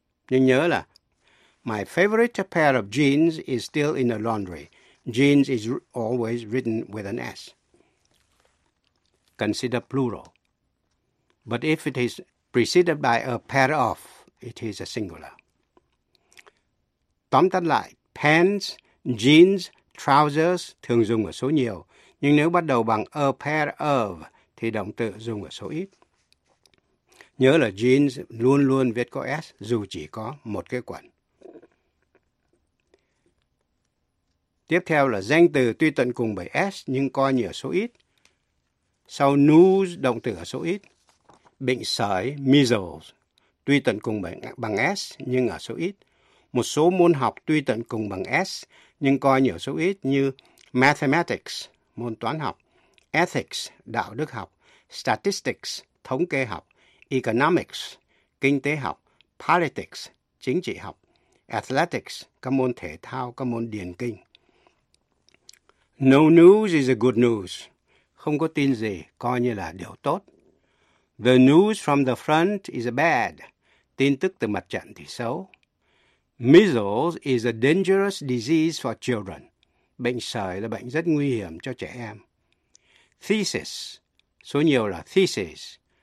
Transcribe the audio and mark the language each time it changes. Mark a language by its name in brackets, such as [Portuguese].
[Vietnamese] Nhưng nhớ là [English] my favorite pair of jeans is still in the laundry. Jeans is always written with an S. Consider plural. But if it is preceded by a pair of, it is a singular. [Vietnamese] Tóm tắt lại, pants, jeans, trousers thường dùng ở số nhiều. Nhưng nếu bắt đầu bằng a pair of, thì động từ dùng ở số ít. Nhớ là jeans luôn luôn viết có S, dù chỉ có một cái quần. Tiếp theo là danh từ tuy tận cùng bởi S nhưng coi như ở số ít. Sau news, động từ ở số ít. Bệnh sởi, measles, tuy tận cùng bằng S nhưng ở số ít. Một số môn học tuy tận cùng bằng S nhưng coi nhiều số ít như mathematics, môn toán học, ethics, đạo đức học, statistics, thống kê học, economics, kinh tế học, politics, chính trị học, athletics, các môn thể thao, các môn điền kinh. [English] No news is a good news. [Vietnamese] Không có tin gì, coi như là điều tốt. [English] The news from the front is bad. [Vietnamese] Tin tức từ mặt trận thì xấu. [English] Measles is a dangerous disease for children. [Vietnamese] Bệnh sởi là bệnh rất nguy hiểm cho trẻ em. Thesis, số nhiều là thesis.